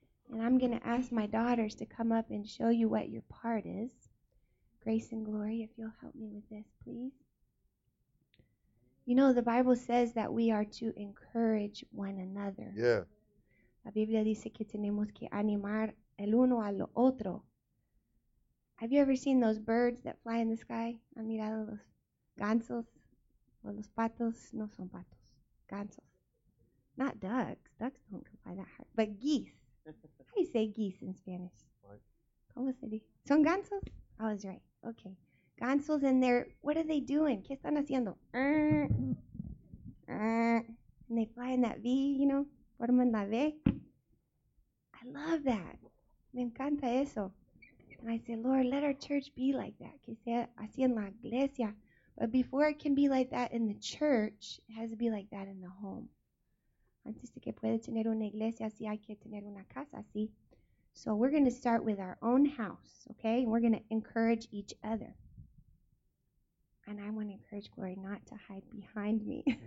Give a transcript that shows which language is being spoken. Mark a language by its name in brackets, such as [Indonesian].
[English] And I'm going to ask my daughters to come up and show you what your part is. Grace and Glory, if you'll help me with this, please. You know, the Bible says that we are to encourage one another. Yeah. [Spanish] La Biblia dice que tenemos que animar el uno al otro. [English] Have you ever seen those birds that fly in the sky? [Spanish] ¿Han mirado los gansos? [English] Well, [Spanish] los patos no son patos, gansos. [English] Not ducks. Ducks don't come by that hard. But geese. How do you say geese in Spanish? [Spanish] ¿Cómo se dice? ¿Son gansos? [English] I was right. Okay. Gansos and they're, what are they doing? [Spanish] ¿Qué están haciendo? [English] And they fly in that V, you know, [Spanish] forman la V. [English] I love that. [Spanish] Me encanta eso. [English] And I say, Lord, let our church be like that. [Spanish] Que sea así en la iglesia. [English] But before it can be like that in the church, it has to be like that in the home. [Spanish] Antes de que pueda tener una iglesia, sí hay que tener una casa, sí. [English] So we're going to start with our own house, okay? And we're going to encourage each other. And I want to encourage Glory not to hide behind me.